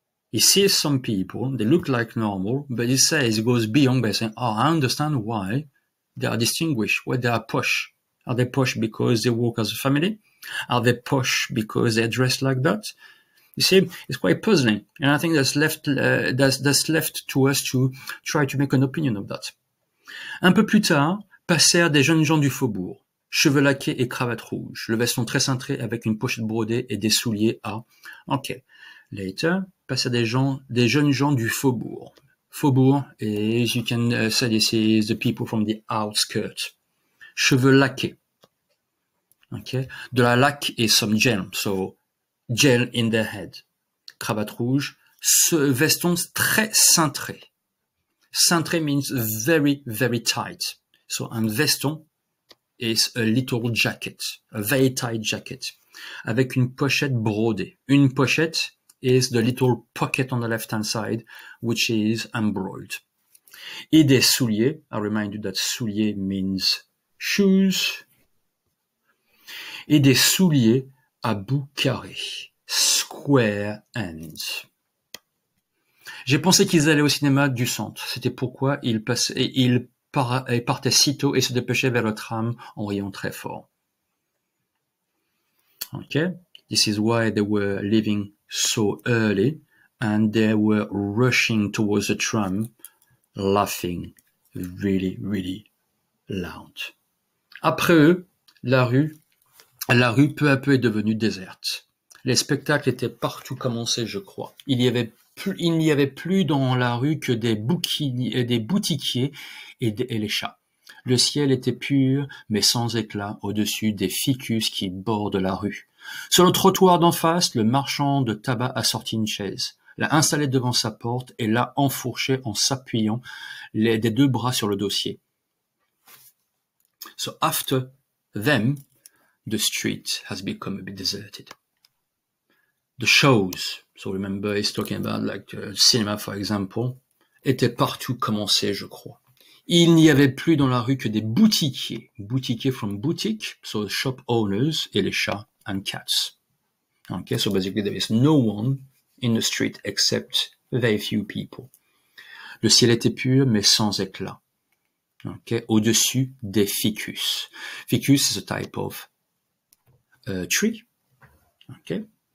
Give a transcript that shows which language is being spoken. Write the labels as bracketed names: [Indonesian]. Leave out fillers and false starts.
[English] He sees some people, they look like normal, but he says, he goes beyond by saying, oh, I understand why they are distinguished, why they are posh. Are they posh because they work as a family? Are they posh because they're dressed like that? You see, it's quite puzzling. And I think that's left to us to try to make an opinion of that. [French] Un peu plus tard, passèrent des jeunes gens du faubourg, cheveux laqués et cravate rouge, le veston très cintré avec une pochette brodée et des souliers à... Okay. Later, passèrent des jeunes gens du faubourg. [English] Faubourg, as you can say, this is the people from the outskirts. [French] Cheveux laqués. Okay. De la laque et some gel. [English] So, gel in their head. [French] Cravate rouge. Ce veston très cintré. Cintré [English] means very, very tight. So, un veston is a little jacket. A very tight jacket. [French] Avec une pochette brodée. [English] Une pochette is the little pocket on the left-hand side, which is embroidered. [French] Et des souliers. [English] I remind you that soulier means shoes. [French] Et des souliers à bout carré. [English] Square ends. [French] J'ai pensé qu'ils allaient au cinéma du centre. C'était pourquoi ils partaient si tôt et se dépêchaient vers le tram en riant très fort. [English] Okay. This is why they were leaving so early and they were rushing towards the tram laughing really, really loud. [French] Après eux, la rue peu à peu est devenue déserte. Les spectacles étaient partout commencés, je crois. Il n'y avait plus dans la rue que des boutiquiers et les chats. Le ciel était pur, mais sans éclat, au-dessus des ficus qui bordent la rue. Sur le trottoir d'en face, le marchand de tabac a sorti une chaise, l'a installée devant sa porte et l'a enfourchée en s'appuyant des deux bras sur le dossier. [English] So after them, the street has become a bit deserted. The shows, so remember he's talking about like the cinema for example, [French] étaient partout commencés, je crois. Il n'y avait plus dans la rue que des boutiquiers. [English] Boutiquiers from boutique, so shop owners [French] et les chats [English] and cats. Okay, so basically there is no one in the street except very few people. [French] Le ciel était pur mais sans éclat. Okay, au-dessus des ficus. [English] Ficus is a type of tree. Okay.